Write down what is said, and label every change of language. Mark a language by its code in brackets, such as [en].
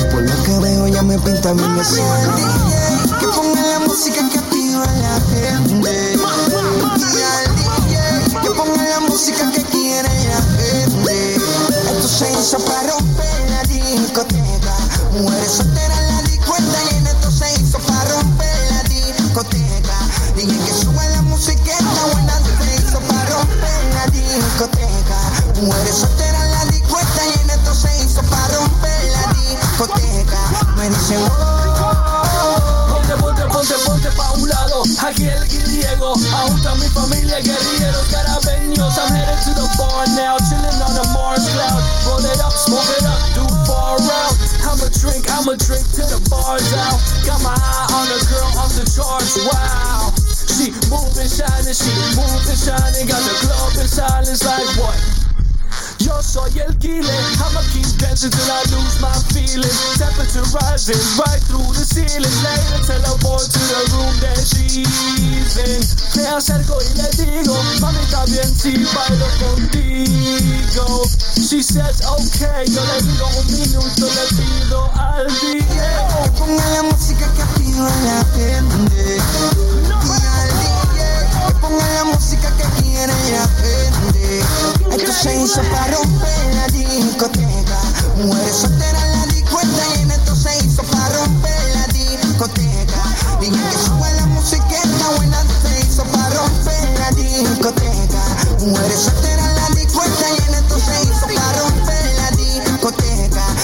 [es] Por lo que veo ya me pinta mi mesa. Que ponga la música que activa la gente. Y al DJ que ponga la música que quiere la gente. Esto se hizo para romper la discoteca. Mujeres solteras la disco está llena. Esto se hizo para romper la discoteca. Dije que suba la música, está buena. Esto se hizo para romper la discoteca. Mujeres solteras la disco está llena. Esto se hizo para romper la discoteca. Me dicen oh, ponte pa' un lado, aquí el griego. Aún está mi familia, guerrilleros carabeños. [en] I'm headed to the bar now, chilling on a Mars cloud. Roll it up, smoke it up, do far out. I'ma drink till the bar's out. Got my eye on a girl off the charts, wow. She moving, shining, she moving, shining. Got the club in silence like what? Yo soy el killer, I'ma keep dancing till I lose my feeling. Temperature rising right through the ceiling. Later teleport to the room that she's in. [es] Me acerco y le digo, mami también si bailo contigo. She says okay, yo le digo un minuto, le pido al DJ. Que ponga la música que activa la gente. Y al DJ, que ponga la música que quiere la gente. Esto se hizo pa' romper la discoteca. Mujeres solteras la disco está llena. Esto se hizo pa' romper la discoteca. Dije que suba la música, está buena. Esto se hizo pa' romper la discoteca. Mujeres solteras la disco está llena. Esto se hizo pa' romper la discoteca.